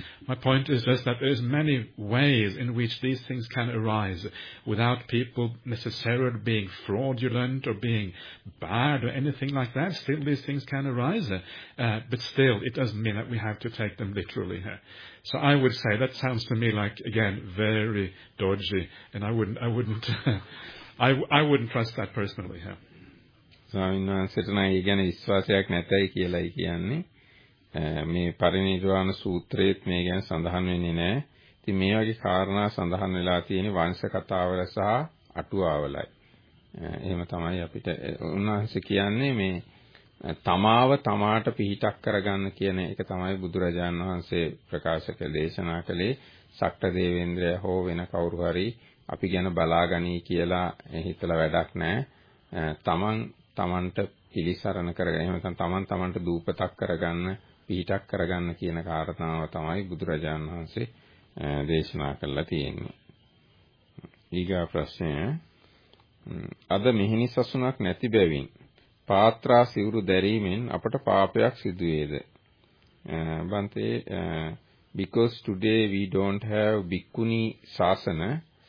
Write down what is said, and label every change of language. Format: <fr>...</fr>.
<en>My point is just that there's many ways in which these things can arise without people necessarily being fraudulent or being bad or anything like that. Still, these things can arise. But still, it doesn't mean that we have to take them literally. So I would say that sounds to me like, again, very dodgy. And I wouldn't I wouldn't trust that personally.</en> <si>ස්වාමින්වහන්සේටනයි ගැන විශ්වාසයක් නැතයි කියලායි කියන්නේ. මේ පරිනිර්වාණ සූත්‍රයේත් මේ ගැන සඳහන් වෙන්නේ නැහැ. ඉතින් මේ වගේ කාරණා සඳහන් වෙලා තියෙන්නේ වංශ කතාවල සහ අටුවාවලයි. එහෙම තමයි අපිට උන්වහන්සේ කියන්නේ මේ තමාව තමාට පිහිටක් කරගන්න කියන එක තමයි බුදුරජාණන් වහන්සේ ප්‍රකාශක දේශනා කළේ. සක්ට දේවේන්ද්‍රය හෝ වෙන කවුරු හරි අපි ගැන බලාගනී කියලා හිතලා වැඩක් නැහැ. තමන් තමන්ට පිළිසරණ කරගන්න, එහෙම නැත්නම් තමන් තමන්ට දූපතක් කරගන්න, පිහිටක් කරගන්න කියන කාරණාව තමයි බුදුරජාන් වහන්සේ දේශනා කළා තියෙන්නේ. ඊගා ප්‍රශ්නය. අද මිහිනි සසුනක් නැති බැවින් පාත්‍රා සිවුරු දැරීමෙන් අපට පාපයක් සිදු වේද?</si> <en>Bhante, because today we don't have bhikkhuni sasana.</en>